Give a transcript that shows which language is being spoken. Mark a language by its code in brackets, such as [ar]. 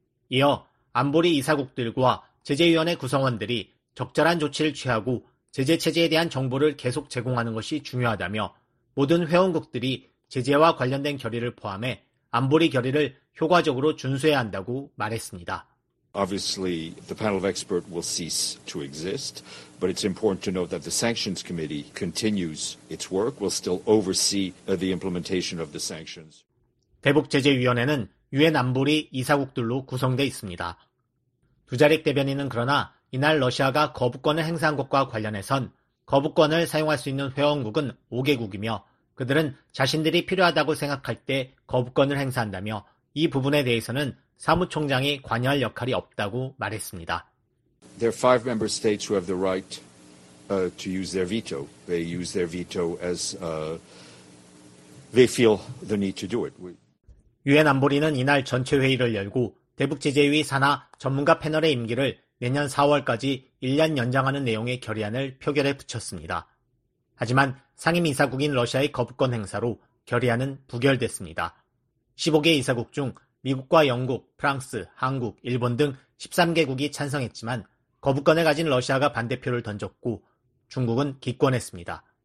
[ko] 이어 안보리 이사국들과 제재위원회 구성원들이 적절한 조치를 취하고 제재체제에 대한 정보를 계속 제공하는 것이 중요하다며 모든 회원국들이 제재와 관련된 결의를 포함해 안보리 결의를 효과적으로 준수해야 한다고 말했습니다. [en] Obviously, the panel of experts will cease to exist, but it's important to note that the sanctions committee continues its work, will still oversee the implementation of the sanctions. [ko] 대북제재위원회는 유엔 안보리 이사국들로 구성되어 있습니다. 두자릭 대변인은 그러나 이날 러시아가 거부권을 행사한 것과 관련해선 거부권을 사용할 수 있는 회원국은 5개국이며 그들은 자신들이 필요하다고 생각할 때 거부권을 행사한다며 이 부분에 대해서는 사무총장이 관여할 역할이 없다고 말했습니다. [en] There are five member states who have the right to use their veto. They use their veto as they feel the need to do it. [ko] 유엔 안보리는 이날 전체 회의를 열고 대북제재위 산하 전문가 패널의 임기를 내년 4월까지 1년 연장하는 내용의 결의안을 표결에 붙였습니다. 하지만 상임이사국인 러시아의 거부권 행사로 결의안은 부결됐습니다. 15개 이사국 중 미국과 영국, 프랑스, 한국, 일본 등 13개국이 찬성했지만 거부권을 가진 러시아가 반대표를 던졌고 중국은 기권했습니다.